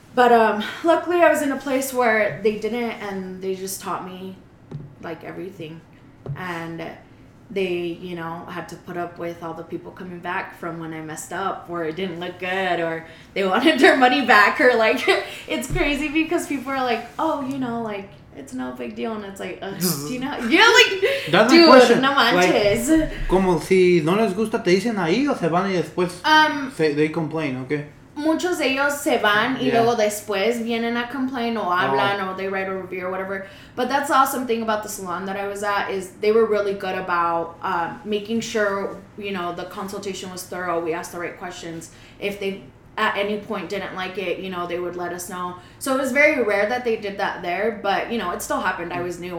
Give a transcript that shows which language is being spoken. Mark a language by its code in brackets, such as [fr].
[en] But luckily, I was in a place where they didn't, and they just taught me, like, everything. And they, you know, had to put up with all the people coming back from when I messed up or it didn't look good or they wanted their money back or, like, it's crazy because people are like, oh, you know, like, it's no big deal. And it's like, do you know? Yeah, like, that's dude, my question. [es] No manches. Like, como si no les gusta, te dicen ahí o se van y después [en] they complain, okay? [es] Muchos de ellos se van y luego después vienen a complain o hablan [en] or they write a review or whatever. But that's the awesome thing about the salon that I was at is they were really good about making sure, you know, the consultation was thorough. We asked the right questions. If they at any point didn't like it, you know, they would let us know. So it was very rare that they did that there. But, you know, it still happened. I was new.